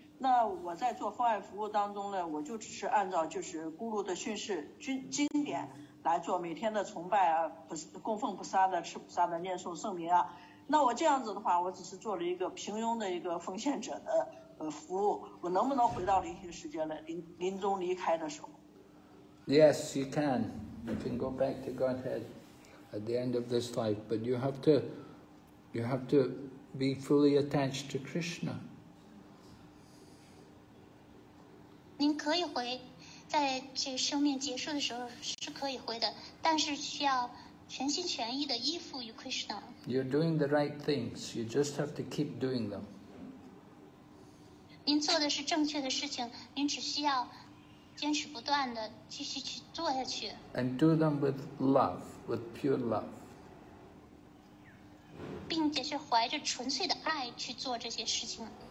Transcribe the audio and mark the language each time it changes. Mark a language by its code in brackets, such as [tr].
[zh] 那我在做父爱服务当中呢，我就只是按照就是咕噜的训示经典来做每天的崇拜啊，供奉菩萨的，吃菩萨的，念诵圣名啊。那我这样子的话，我只是做了一个平庸的一个奉献者的服务，我能不能回到灵性世界呢？临终离开的时候。 [en] Yes, you can. You can go back to Godhead at the end of this life, but you have to be fully attached to Krishna. [zh] 您可以回，在这生命结束的时候是可以回的，但是需要全心全意的依附于 Krishna。 [en] You're doing the right things. You just have to keep doing them. [zh] 您做的是正确的事情，您只需要坚持不断的继续去做下去。 [en] And do them with love, with pure love. [zh] 并且是怀着纯粹的爱去做这些事情。